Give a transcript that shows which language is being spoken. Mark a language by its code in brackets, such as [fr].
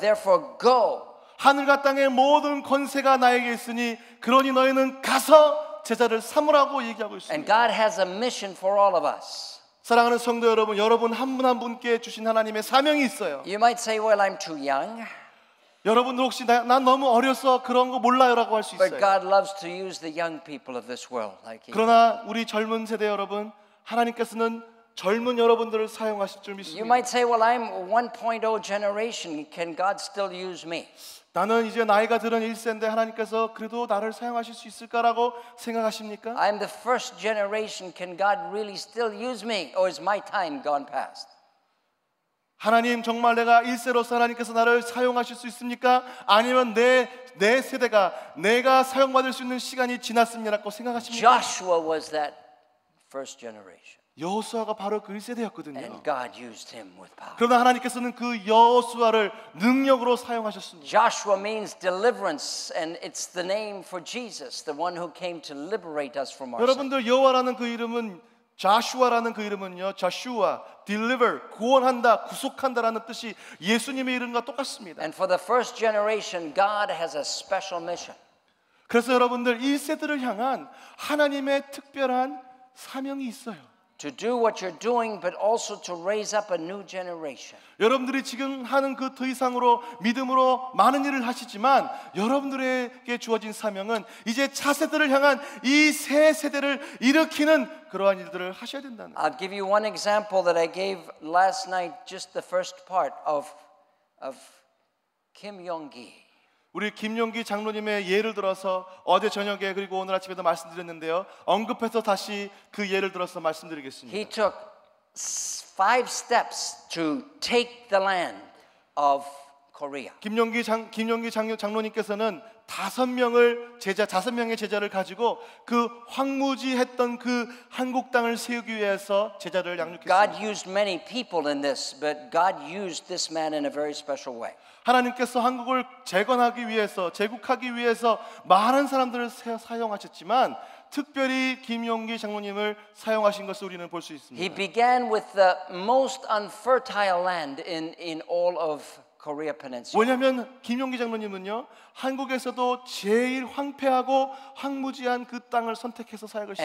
[en] Therefore, go. [ko] 하늘과 땅의 모든 권세가 나에게 있으니 그러니 너희는 가서 제자를 삼으라고 얘기하고 있습니다. [en] And God has a mission for all of us. [ko] 사랑하는 성도 여러분, 여러분 한 분 한 분께 주신 하나님의 사명이 있어요. [en] You might say, "Well, I'm too young." [ko] 여러분들 혹시 난 너무 어려서 그런 거 몰라요라고 할 수 있어요. [en] But God loves to use the young people of this world, like. [ko] 그러나 우리 젊은 세대 여러분, 하나님께서는 젊은 여러분들을 사용하실 줄 믿습니다. [en] You might say, "Well, I'm 1.0 generation. Can God still use me?" [ko] 나는 이제 나이가 들은 1세인데 하나님께서 그래도 나를 사용하실 수 있을까라고 생각하십니까? [en] I'm the first generation. Can God really still use me, or is my time gone past? [ko] 하나님 정말 내가 1세로서 하나님께서 나를 사용하실 수 있습니까? 아니면 내 세대가 내가 사용받을 수 있는 시간이 지났습니다라고 생각하십니까? [en] Joshua was that first generation. [ko] 여호수아가 바로 그 세대였거든요. [en] And God used him with power. [ko] 그러나 하나님께서는 그 여호수아를 능력으로 사용하셨습니다. [en] Joshua means deliverance and it's the name for Jesus, the one who came to liberate us from our sin. [ko] 여러분들 여호와라는 그 이름은 자슈아라는 그 이름은요. 자슈아, deliver, 구원한다, 구속한다라는 뜻이 예수님의 이름과 똑같습니다. [en] And for the first generation God has a special mission. [ko] 그래서 여러분들 이 세대를 향한 하나님의 특별한 사명이 있어요. [en] To do what you're doing, but also to raise up a new generation. [ko] 여러분들이 지금 하는 그 더 이상으로 믿음으로 많은 일을 하시지만 여러분들에게 주어진 사명은 이제 차세대를 향한 이 새 세대를 일으키는 그러한 일들을 하셔야 된다는. [en] I'll give you one example that I gave last night, just the first part of Kim Yong-gi. [ko] 우리 김용기 장로님의 예를 들어서 어제 저녁에 그리고 오늘 아침에도 말씀드렸는데요. 언급해서 다시 그 예를 들어서 말씀드리겠습니다. [en] He took five steps to take the land of Korea. [ko] 김용기 장로님께서는 다섯 명의 제자를 가지고 그 황무지했던 그 한국 땅을 세우기 위해서 제자를 양육했습니다. [en] God used many people in this, but God used this man in a very special way. [ko] 하나님께서 한국을 재건하기 위해서, 제국하기 위해서 많은 사람들을 사용하셨지만 특별히 김용기 장로님을 사용하신 것을 우리는 볼 수 있습니다. [en] He began with the most unfertile land in all of Korea Peninsula. [ko] 왜냐하면 김용기 장로님은요, 한국에서도 제일 황폐하고 황무지한 그 땅을 선택해서 사역을